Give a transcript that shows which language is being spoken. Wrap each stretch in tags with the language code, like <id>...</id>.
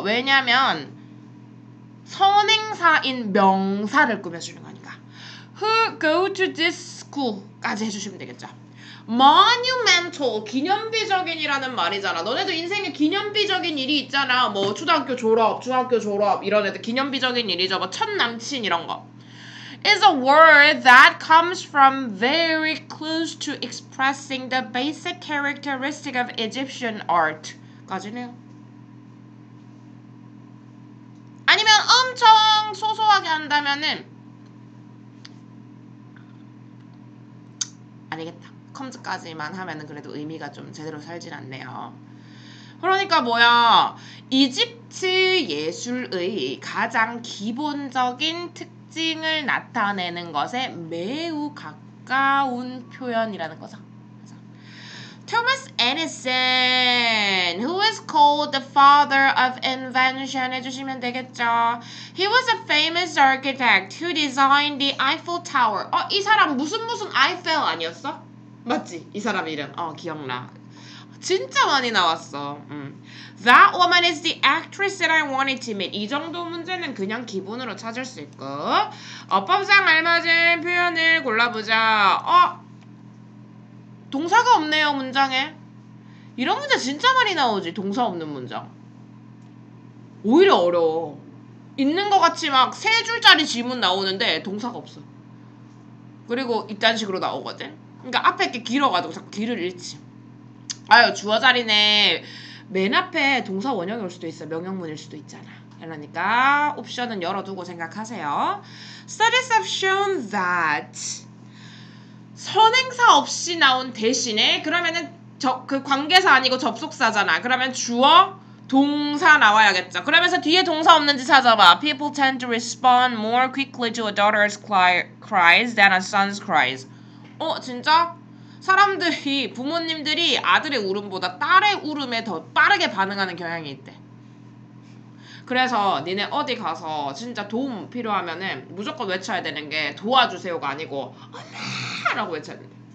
<ko>왜냐면 선행사인 명사를 꾸며주는 거니까.</ko> <en>Who go to this school?</en> <ko>까지 해주시면 되겠죠. Monumental, 기념비적인이라는 말이잖아. 너네도 인생에 기념비적인 일이 있잖아. 뭐 초등학교 졸업, 중학교 졸업 이런 애들 기념비적인 일이죠. 뭐 첫 남친 이런 거.</ko> <en>It's a word that comes from very close to expressing the basic characteristic of Egyptian art.</en> <ko>까지네요. 아니면 엄청 소소하게 한다면은 아니겠다. 컴즈까지만 하면은 그래도 의미가 좀 제대로 살진 않네요. 그러니까 뭐야? 이집트 예술의 가장 기본적인 특징을 나타내는 것에 매우 가까운 표현이라는 거죠.</ko> <en>토마스 에디슨, who is called the father of invention</en> <ko>해주시면 되겠죠.</ko> <en>He was a famous architect who designed the Eiffel Tower.</en> <ko>어, 이 사람 무슨 무슨 아이펠 아니었어? 맞지? 이 사람 이름. 어, 기억나. 진짜 많이 나왔어.</ko> <en>That woman is the actress that I wanted to meet.</en> <ko>이 정도 문제는 그냥 기본으로 찾을 수 있고. 어법상 알맞은 표현을 골라보자. 어? 동사가 없네요, 문장에. 이런 문제 진짜 많이 나오지, 동사 없는 문장. 오히려 어려워. 있는 것 같이 막 세 줄짜리 지문 나오는데 동사가 없어. 그리고 이딴 식으로 나오거든. 그니까 앞에 게 길어가지고 자꾸 길을 잃지. 아유 주어 자리네. 맨 앞에 동사 원형일 수도 있어. 명형문일 수도 있잖아. 그러니까 옵션은 열어두고 생각하세요.</ko> <en>Studies have shown that</en> <ko>선행사 없이 나온 대신에 그러면은 그 관계사 아니고 접속사잖아. 그러면 주어 동사 나와야겠죠. 그러면서 뒤에 동사 없는지 찾아봐.</ko> <en>People tend to respond more quickly to a daughter's cries than a son's cries.</en> <ko>어? 진짜? 사람들이, 부모님들이 아들의 울음보다 딸의 울음에 더 빠르게 반응하는 경향이 있대. 그래서 니네 어디 가서 진짜 도움 필요하면은 무조건 외쳐야 되는 게 도와주세요가 아니고 엄마! 라고 외쳐야 돼.</ko>